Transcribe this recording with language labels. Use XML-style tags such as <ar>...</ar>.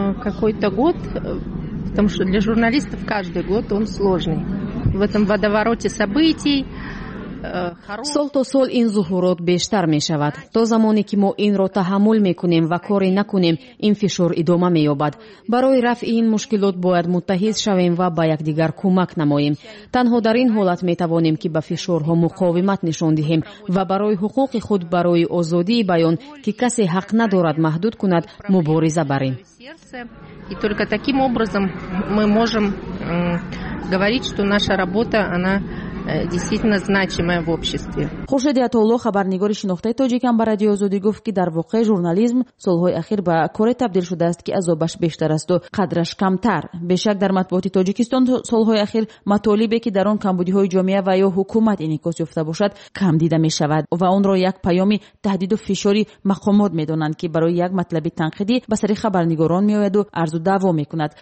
<ru>Какой-то год, потому что для журналистов каждый год он сложный. В этом водовороте событий.</ru> <fa>سال تا سال این ظهورات بیشتر می شود. تا زمانی که ما این را تحمل می کنیم و کاری نکنیم، این فشار ادامه می یابد. برای رفع این مشکلات باید متحد شویم و با یکدیگر کمک نماییم. تنها در این حالت می توانیم که به فشارها مقاومت نشان دهیم و برای حقوق خود برای آزادی بیان که کسی حق ندارد محدود کند مبارزه بریم.</fa> <ru>И только таким образом мы можем говорить, что наша работа, она действительно значимая в обществе.</ru> <tg>Хушеди Атоло, хабарнигори шинохтаи тоҷикам ба радио Озодӣ гуфт, ки дар воқеъ журнализм солҳои ахир ба коре табдил шудааст, ки азобаш бештар аст ва қадраш камтар. Бешак дар матбуоти Тоҷикистон солҳои ахир матолибе, ки дар он камбудиҳои ҷомеа ва ё ҳукумат инъикос ёфта бошад, кам дида мешавад ва онро як паёми таҳдиду фишори мақомот медонанд, ки барои як матлаби танқидӣ ба сари хабарнигорон меояд ва арзу даъво мекунад.</tg>